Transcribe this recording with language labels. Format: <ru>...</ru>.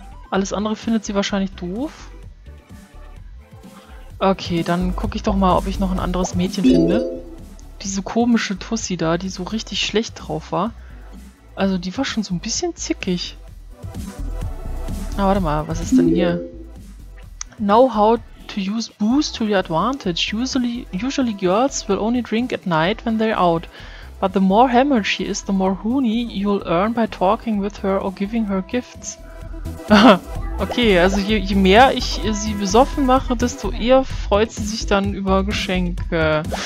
<de>Alles andere findet sie wahrscheinlich doof. Okay, dann gucke ich doch mal, ob ich noch ein anderes Mädchen finde. Diese komische Tussi da, die so richtig schlecht drauf war. Also, die war schon so ein bisschen zickig. Ah, warte mal, was ist denn hier?</de> <en>Know how to use booze to your advantage. Usually girls will only drink at night when they're out. But the more hammered she is, the more hoony you'll earn by talking with her or giving her gifts.</en> <de>Okay, also je mehr ich sie besoffen mache, desto eher freut sie sich dann über Geschenke.</de>